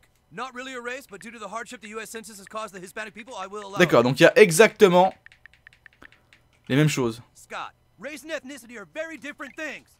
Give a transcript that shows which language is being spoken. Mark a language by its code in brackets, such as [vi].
[en] Not really a race, but due to the hardship the US census has caused the Hispanic people, I will allow. [fr] D'accord, donc il y a exactement les mêmes choses. [en] Scott, race and ethnicity are very different things.